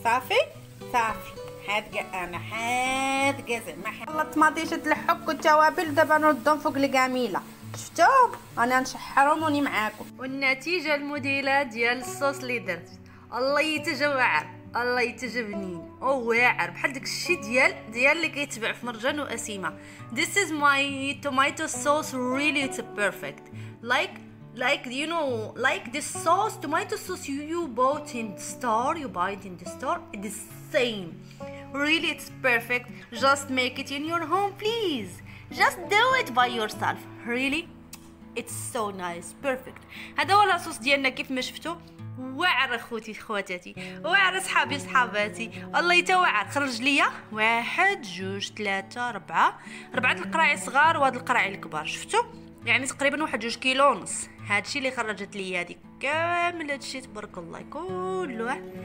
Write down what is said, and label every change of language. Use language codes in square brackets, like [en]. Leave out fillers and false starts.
[ar] صافي هاد جزء ما خلطت مطيشة الحك والتوابل. دابا نردهم فوق القميله شفتوهم انا نشحرهم وني معاكم. والنتيجه الموديله ديال الصوص اللي درت الله يتجوع الله يتجبني او واعر بحال داك الشيء ديال اللي كيتبع في مرجان واسيمه. [en] This is my tomato sauce really it's perfect like you know like this sauce tomato sauce you buy it in the store it is same really it's perfect. Just make it in your home please, just do it by yourself really it's so nice perfect. [ar] هذا هو الصوص ديالنا كيف ما شفتوا واعر اخوتي اخواتاتي واعر صحابي صحاباتي الله يتوعد. خرج ليا 1 2 3 4 القراعي صغار وهاد القراعي الكبار شفتوا يعني تقريبا 1.5 كيلو. هادشي اللي خرجت ليا هادي كامل هادشي تبارك الله كله.